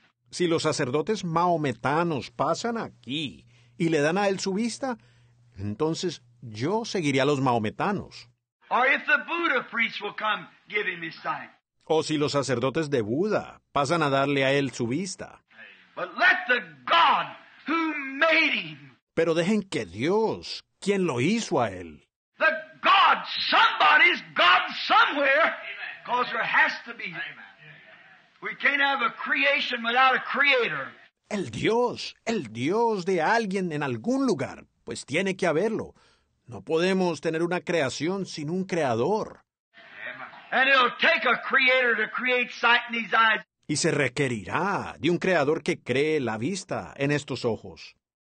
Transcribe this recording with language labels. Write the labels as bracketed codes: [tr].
[es] Si los sacerdotes mahometanos pasan aquí y le dan a él su vista, entonces yo seguiría a los mahometanos. [en] Or if the Buddha priest will come give him his sight. [es] O si los sacerdotes de Buda pasan a darle a él su vista. [en] But let the God who made him. [es] Pero dejen que Dios, quien lo hizo a él. [en] The God, somebody's God somewhere. Because there has to be. Amen. We can't have a creation without a creator. [es] El Dios de alguien en algún lugar, pues tiene que haberlo. No podemos tener una creación sin un creador. [en] And it'll take a creator to create sight in these eyes. [es] Y se requerirá de un creador que cree la vista en estos ojos.